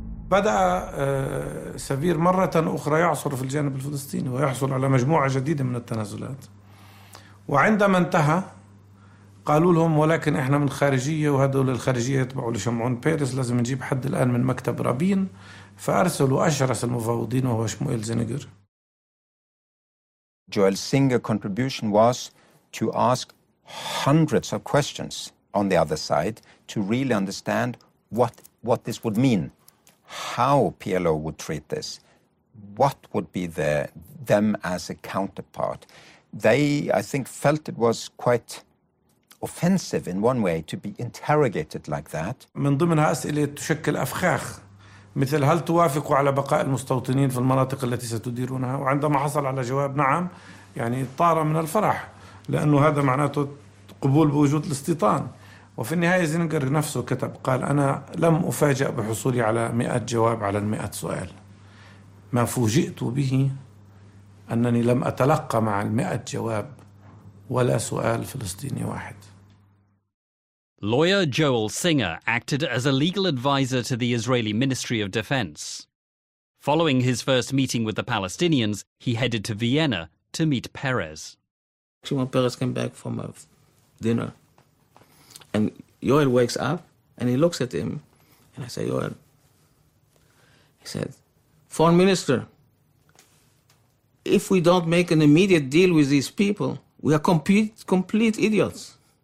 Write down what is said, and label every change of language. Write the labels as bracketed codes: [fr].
[ar] بدأ سفير مرة أخرى يعصر في الجانب الفلسطيني ويحصل على مجموعة جديدة من التنازلات وعندما انتهى قالوا لهم ولكن إحنا من خارجية وهدول الخارجية يتبعوا لشمعون بيرس لازم نجيب حد الآن من مكتب رابين فأرسلوا أشرس المفاوضين وهو شمويل زينجر. [en] Joel Singer's contribution was to ask hundreds of questions on the other side to really understand what this would mean. How PLO would treat this, what would be them as a counterpart. They, I think, felt it was quite offensive in one way to be interrogated like that. [ar] من ضمنها أسئلة تشكل أفخاخ مثل هل توافقوا على بقاء المستوطنين في المناطق التي ستديرونها وعندما حصل على جواب نعم يعني طار من الفرح لأنه هذا معناته قبول بوجود الاستيطان. وفي النهاية زينجر نفسه كتب قال أنا لم أفاجأ بحصولي على 100 جواب على 100 سؤال ما فوجئت به أنني لم أتلقى مع 100 جواب ولا سؤال فلسطيني واحد. [en] Lawyer Joel Singer acted as a legal advisor to the Israeli Ministry of Defense. Following his first meeting with the Palestinians, he headed to Vienna to meet Peres. Shimon Peres came back from a dinner. And Yoel wakes up, and he looks at him, and I say, Yoel, he said, Foreign Minister, if we don't make an immediate deal with these people, we are complete idiots.